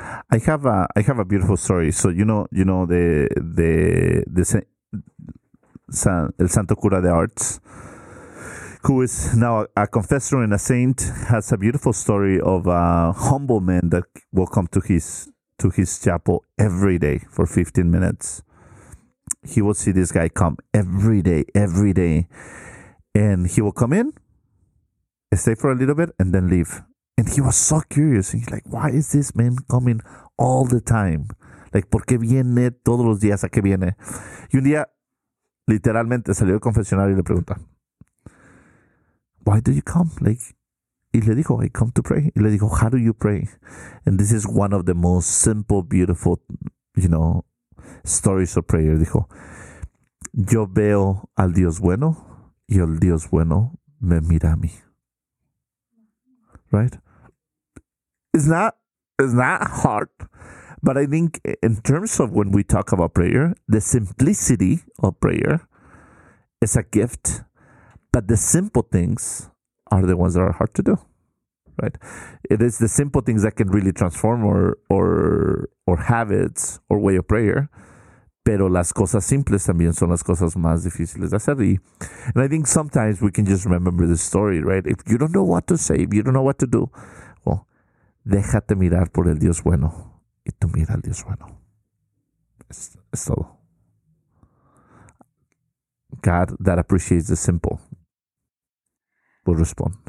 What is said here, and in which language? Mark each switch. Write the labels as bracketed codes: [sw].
[en] I have a beautiful story. So, you know, El Santo Cura de Arts, who is now a confessor and a saint, has a beautiful story of a humble man that will come to his chapel every day for 15 minutes. He will see this guy come every day. And he will come in, stay for a little bit, and then leave. And he was so curious. And he's like, why is this man coming all the time? [es] Like, ¿por qué viene todos los días? ¿A qué viene? Y un día, literalmente, salió del confesionario y le pregunta, [en] why do you come? Like, [es] y le dijo, [en] I come to pray. Y le dijo, how do you pray? And this is one of the most simple, beautiful, you know, stories of prayer. [es] Dijo, yo veo al Dios bueno y el Dios bueno me mira a mí. [en] Right? It's not hard. But I think in terms of when we talk about prayer, the simplicity of prayer is a gift. But the simple things are the ones that are hard to do, right? It is the simple things that can really transform or habits or way of prayer. [es] Pero las cosas simples también son las cosas más difíciles de hacer. [en] And I think sometimes we can just remember the story, right? If you don't know what to say, if you don't know what to do, well, [es] déjate mirar por el Dios bueno y tú mira al Dios bueno. Es todo. [en] God that appreciates the simple will respond.